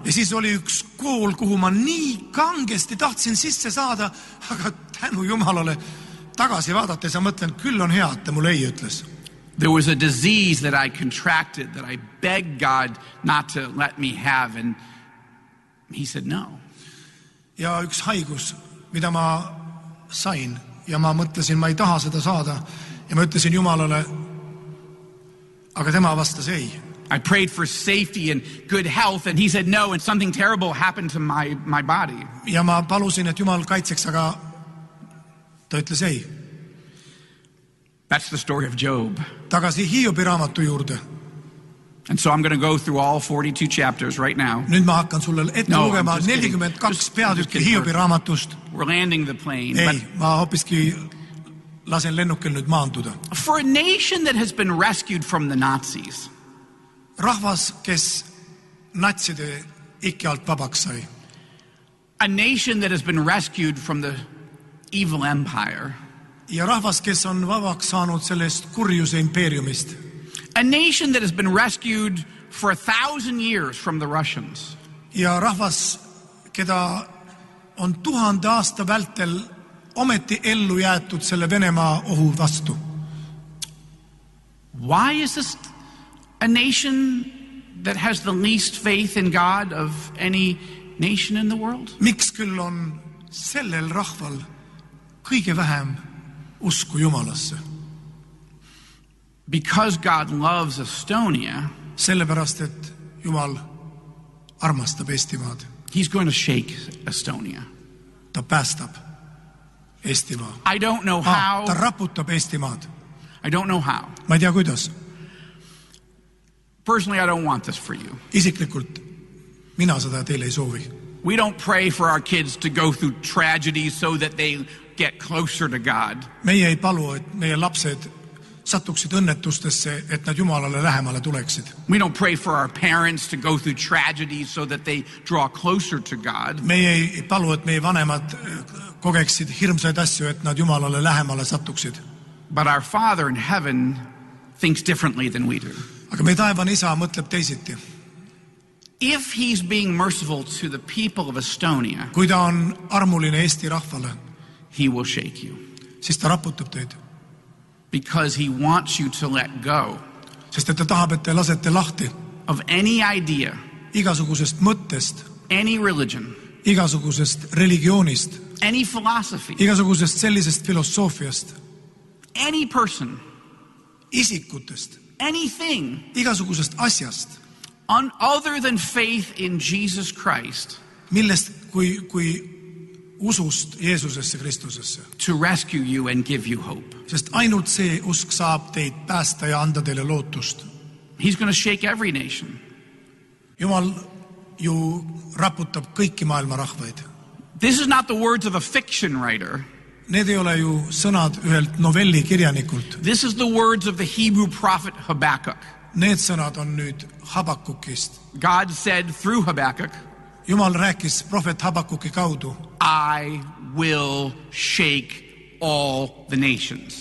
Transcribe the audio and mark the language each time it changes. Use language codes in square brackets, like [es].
[et] Ja siis oli üks kool, kuhu ma nii kangesti tahtsin sisse saada, aga tänu Jumalale tagasi vaadates ja mõtlen, küll on hea, et ta mulle ei ütles. [en] There was a disease that I contracted that I begged God not to let me have and he said no. [et] Ja üks haigus, mida ma sain ja ma mõtlesin, ma ei taha seda saada ja ma ütlesin Jumalale, aga tema vastas ei. [en] I prayed for safety and good health and he said no and something terrible happened to my body. [et] Ja ma palusin, et Jumal kaitseks, aga ta ütles ei. [en] That's the story of Job. [et] Tagasi Hiobi raamatu juurde. [en] And so I'm going to go through all 42 chapters right now. [et] Nüüd ma hakkan sulle ette lugema 42 peatükki Hiobi raamatust. [en] We're landing the plane. [et] Ei, ma hoopiski lasen lennukil nüüd maanduda. [en] For a nation that has been rescued from the Nazis. [et] Rahvas, kes natside ikki alt vabaks sai. [en] A nation that has been rescued from the evil empire. [et] Ja rahvas, kes on vabaks saanud sellest kurjuse impeeriumist. [en] A nation that has been rescued for 1,000 years from the Russians. [et] Ja rahvas, keda on 1,000 aasta vältel ometi ellu jäetud selle Venemaa ohu vastu. [en] Why is this a nation that has the least faith in God of any nation in the world? [et] Miks küll on sellel rahval kõige vähem usku Jumalasse? [en] Because God loves Estonia, [et] sellepärast, et Jumal armastab Eestimaad. [en] He's going to shake Estonia. [et] Ta päästab Eestimaa. [en] I don't know how. [et] Ta raputab Eestimaad. [en] I don't know how. [et] Ma ei tea, kuidas. [en] Personally, I don't want this for you. [et] Isiklikult, mina seda teile ei soovi. [en] We don't pray for our kids to go through tragedy so that they get closer to God. [et] Meie ei palu, et meie lapsed satuksid õnnetustesse, et nad Jumalale lähemale tuleksid. [en] We don't pray for our parents to go through tragedy so that they draw closer to God. [et] Meie ei palu, et meie vanemad kogeksid hirmsaid asju, et nad Jumalale lähemale satuksid. [en] But our Father in heaven thinks differently than we do. [et] Aga meie taevane isa mõtleb teisiti. [en] If he's being merciful to the people of Estonia, [et] kui ta on armuline Eesti rahvale, [en] he will shake you. [et] Siis ta raputab teid. [en] Because he wants you to let go. [et] Sest et ta tahab, et te lasete lahti. [en] Of any idea. [et] Igasugusest mõttest. [en] Any religion. [et] Igasugusest religioonist. [en] Any philosophy. [et] Igasugusest sellisest filosoofiast. [en] Any person. [et] Isikutest. [en] Anything. [et] Igasugusest asjast. [en] On other than faith in Jesus Christ. [et] Millest kui usust Jeesusesse Kristusesse. [en] To rescue you and give you hope. [et] Sest ainult see usk saab teid päästa ja anda teile lootust. [en] He's going to shake every nation. [et] Jumal ju raputab kõiki maailma rahvaid. [en] This is not the words of a fiction writer. [et] Need ei ole ju sõnad ühelt novelli kirjanikult. [en] This is the words of the Hebrew prophet Habakkuk. [et] Need sõnad on nüüd Habakkukist. [en] God said through Habakkuk. [et] Jumal rääkis prohvet Habakkuki kaudu. [en] I will shake all the nations.